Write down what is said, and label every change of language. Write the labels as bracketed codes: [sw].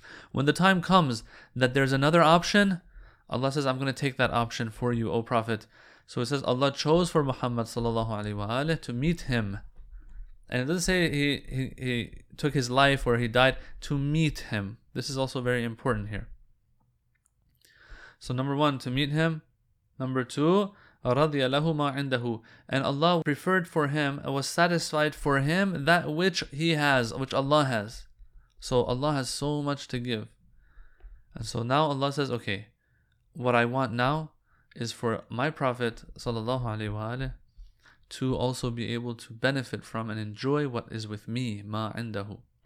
[en] When the time comes that there's another option, Allah says, I'm going to take that option for you, O Prophet. So it says Allah chose for Muhammad sallallahu alaihi wa sallam to meet him. And it doesn't say he took his life or he died to meet him. This is also very important here. So number one, to meet him. Number two, [ar] رَضِيَ لَهُ مَا عِنْدَهُ. [en] And Allah preferred for him and was satisfied for him that which he has, which Allah has. So Allah has so much to give. And so now Allah says, okay, what I want now is for my Prophet sallallahu alaihi wa sallam to also be able to benefit from and enjoy what is with me, ma indahu.